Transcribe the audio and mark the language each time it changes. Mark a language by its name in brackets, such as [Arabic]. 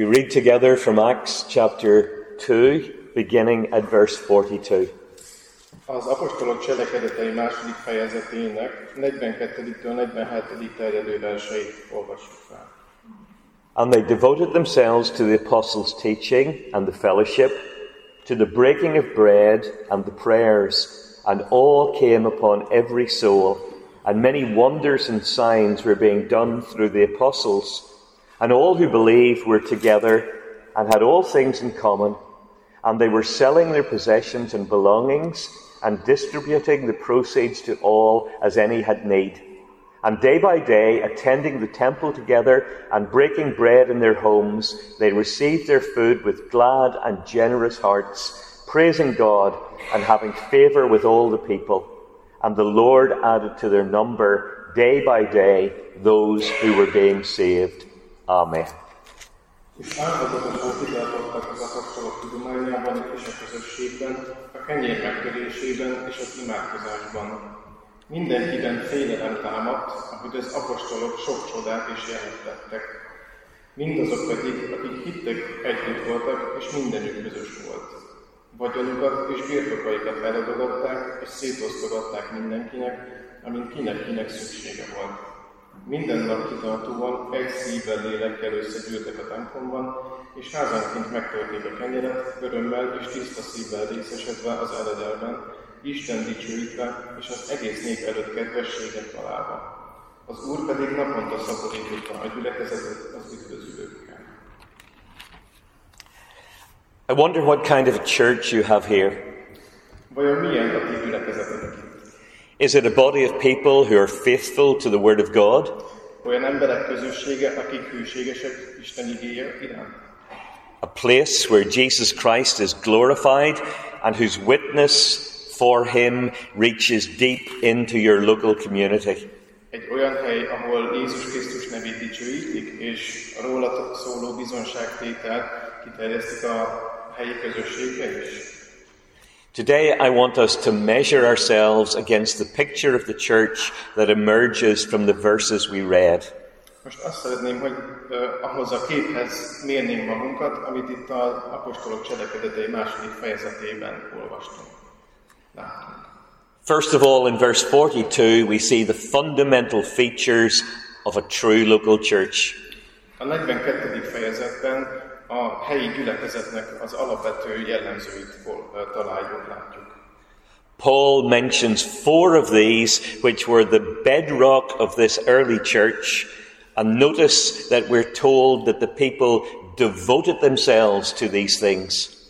[English] Together from Acts chapter 2, beginning at verse 42. [Hungarian] Az apostolok cselekedetei második fejezetének 42-től 47-ig terjedő verseit olvassuk fel. [English] And they devoted themselves to the apostles' teaching and the fellowship, to the breaking of bread and the prayers, and all came upon every soul, and many wonders and signs were being done through the apostles. And all who believed were together and had all things in common, and they were selling their possessions and belongings and distributing the proceeds to all as any had need. And day by day, attending the temple together and breaking bread in their homes, they received their food with glad and generous hearts, praising God and having favor with all the people. And the Lord added to their number day by day those who were being saved. Amen. [Hungarian] És áldozatokat kitartottak az apostolok tudományában és a közösségben, a kenyér megtörésében és az imádkozásban. Mindenkiben félelem támadt, ahogy az apostolok sok csodát is jelentettek. Mindazok pedig, akik hittek, együtt voltak, és mindenük közös volt. Vagyonukat és birtokaikat eladogatták, és szétosztogatták mindenkinek, amint kinek-kinek szüksége volt. Minden nap kitartóan egy szívvel lélekkel összegyűltek a templomban, és házánként megtörték a kenyeret, örömmel és tiszta szívvel részesedve az eledelben, Isten dicsőítve és az egész nép előtt kedvességet találva. Az Úr pedig naponta szaporította a gyülekezetet az üdvözülőkkel. [English] I wonder what kind of a church you have here. [Hungarian] Vajon milyen a ti gyülekezetet? [English] Is it a body of people who are faithful to the Word of God? [Hungarian] Olyan emberek közössége, akik hűségesek Isten igéje iránt. [English] A place where Jesus Christ is glorified and whose witness for him reaches deep into your local community. [Hungarian] Egy olyan hely, ahol Jézus Krisztus nevét dicsőítik, és róla szóló bizonságtételt kiterjesztik a helyi közösségbe is. [English] Today I want us to measure ourselves against the picture of the church that emerges from the verses we read. [Hungarian] Most azt szeretném, hogy ahhoz a képhez mérnénk magunkat, amit itt az apostolok cselekedetei második fejezetében olvastunk. [English] First of all, in verse 42, we see the fundamental features of a true local church. [Hungarian] A 42. fejezetben a helyi gyülekezetnek az alapvető jellemzőit találjuk, látjuk. [English] Paul mentions four of these, which were the bedrock of this early church, and notice that we're told that the people devoted themselves to these things.